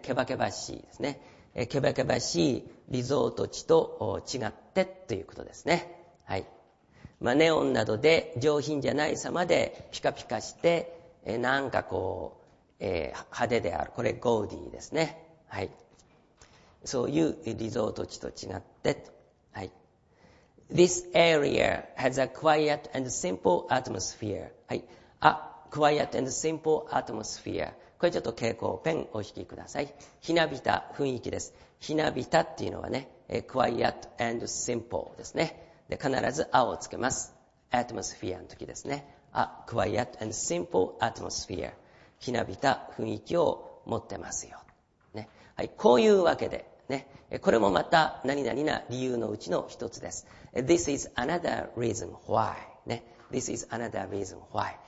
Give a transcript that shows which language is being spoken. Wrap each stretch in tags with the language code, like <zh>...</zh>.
<ja>ケバケバシーですね。ケバケバシーリゾート地と違ってということですね。はい。まあ、ネオンなどで上品じゃない様でピカピカして、なんかこう、派手である。これゴーディですね。はい。そういうリゾート地と違って、はい。</ja> <en>This area has a quiet and simple atmosphere. はい。あ、quiet and simple atmosphere.</en> <ja>これちょっと蛍光ペンお引きください。ひなびた雰囲気です。ひなびたっていうのはね、</ja> <en>quiet and simple</en> <ja>ですね。で、必ず青をつけます。atmosphere の時ですね。</ja> <en>あ、quiet and simple atmosphere.</en> <ja>ひなびた雰囲気を持ってますよ。ね。はい。こういうわけで。ね、これもまた何々な理由のうちの一つです。</ja> <en>This is another reason why.、ね、This is another reason why.</en>